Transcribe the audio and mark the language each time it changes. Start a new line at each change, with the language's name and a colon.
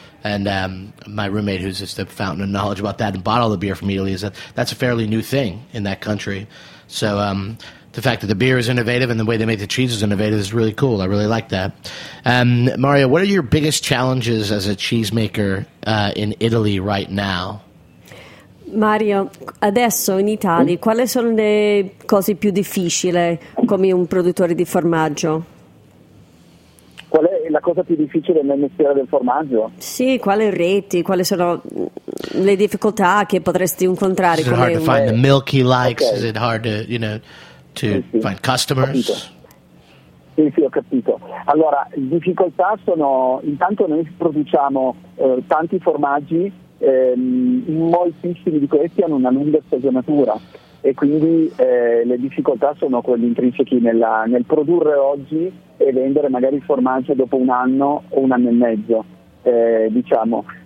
English: And my roommate, who's just a fountain of knowledge about that and bought all the beer from Italy, is that that's a fairly new thing in that country. So the fact that the beer is innovative and the way they make the cheese is innovative is really cool. I really like that. Mario, what are your biggest challenges as a cheesemaker in Italy right now?
Italian: Mario, adesso in Italia, quali sono le cose più difficili come un produttore di formaggio? Qual è la cosa più difficile nel mestiere del formaggio? Sì, quali reti, quali sono le difficoltà che potresti incontrare?
English: Is it hard to find the milk he likes? Okay. Is it hard to, you know... to find customers?
Italian: Sì, sì, ho capito. Allora, difficoltà sono, intanto noi produciamo tanti formaggi, moltissimi di questi hanno una lunga stagionatura e quindi le difficoltà sono quelle intrinsechi nel produrre oggi e vendere magari il formaggio dopo un anno o un anno e mezzo, diciamo.